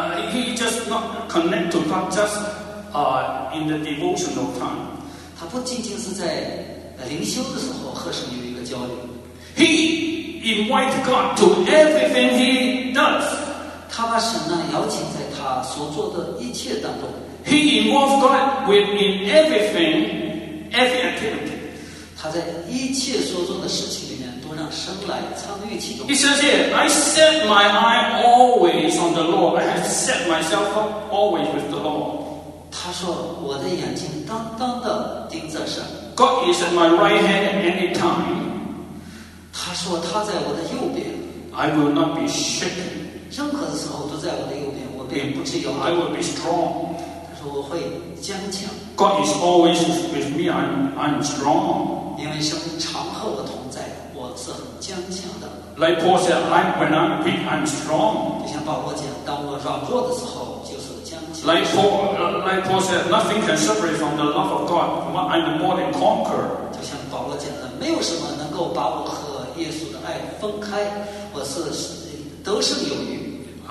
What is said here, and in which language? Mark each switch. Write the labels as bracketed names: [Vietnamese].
[English] He just not connect to God just in the devotional time。 [Chinese] 他不仅仅是在灵修的时候和神有一个交流。 [English] He invite God to everything he does。 [Chinese] 他把神呢邀请在他所做的一切当中。 [English] He involves God within everything, every activity. [Chinese] 他在一切所做的事情里面都让神来参与其中。 [English] He says here, I set my eye always on the Lord. I have set myself up always with the Lord. [Chinese] 他说我的眼睛当当地盯着神。 [English] God is at my right hand any time. [Chinese] 他说他在我的右边。 [English] I will not be shaken. [Chinese] 任何的时候都在我的右边，我便不至摇动。 [English] I will be strong. [Chinese] 我会坚强。 [English] God is always with me. I'm strong. [Chinese] 因为神常和我同在，我是很坚强的。 [English] Like Paul said, when I'm weak, I'm strong. [Chinese] 就像保罗讲，当我软弱的时候，就是坚强。 [English] Like Paul said, nothing can separate from the love of God. I'm more than conqueror. [Chinese] 就像保罗讲的，没有什么能够把我和耶稣的爱分开，我是得胜有余。